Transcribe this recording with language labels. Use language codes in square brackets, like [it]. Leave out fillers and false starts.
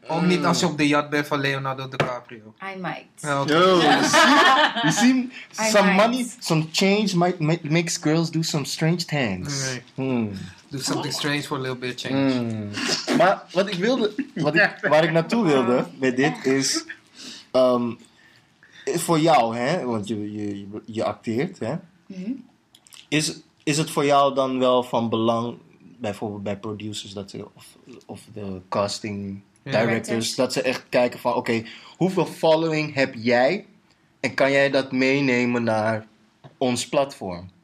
[nl] Ook niet als je op de yacht bent van Leonardo DiCaprio. [en] I might. Okay. Yo, you see some money, some change might makes girls do some strange things. Right. Do something strange for a little bit of change. [nl] Maar wat ik wilde, waar ik naartoe wilde met dit is, voor jou, hè, want je acteert, hè, is het voor jou dan wel van belang, bijvoorbeeld bij producers dat ze, of de casting directors, dat ze echt kijken van, oké, hoeveel following heb jij en kan jij dat meenemen naar ons platform?